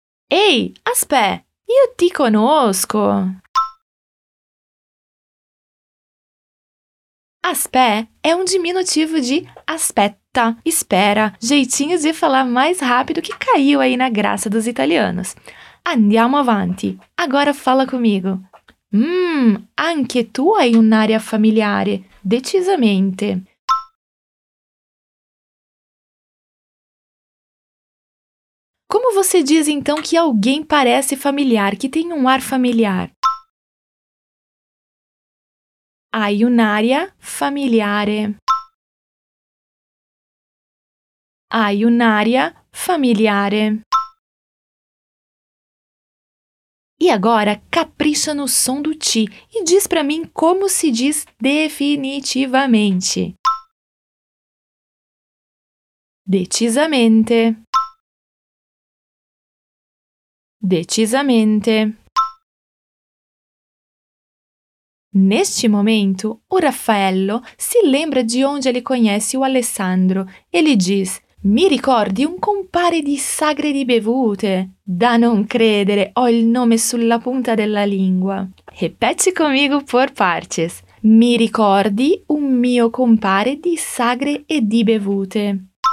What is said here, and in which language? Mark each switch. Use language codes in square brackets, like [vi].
[it] Ei, aspé! Io ti conosco! [pt] Aspé é um diminutivo de aspetta, espera, jeitinho de falar mais rápido que caiu aí na graça dos italianos. [it] Andiamo avanti. [pt] Agora fala comigo. [it] Anche tu hai un'aria familiare, decisamente. [pt] Como você diz então que alguém parece familiar, que tem um ar familiar? [it] Hai un'aria familiare. Hai un'aria familiare. [pt] E agora capricha no som do ti e diz para mim como se diz definitivamente. [it] Decisamente. Decisamente. [pt] Neste momento, o Raffaello se lembra de onde ele conhece o Alessandro. Ele diz, [it] mi ricordi un compare di sagre di bevute? Da non credere, ho il nome sulla punta della lingua. [pt] Repete comigo por partes. [it] Mi ricordi un mio compare di sagre e di bevute?